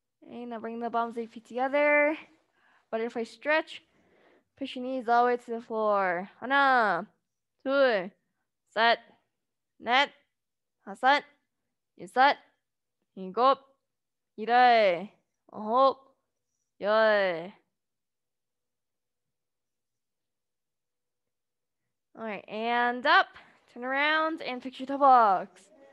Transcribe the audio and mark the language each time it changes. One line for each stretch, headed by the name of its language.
English: And now bring the bottoms of your feet together. Butterfly stretch. Push your knees all the way to the floor.
Korean: 하나, 둘, 셋, 넷, 다섯, 여섯, 일곱, 여덟, 아홉, 열.
English: All right, and up, turn around, and fix your toolbox.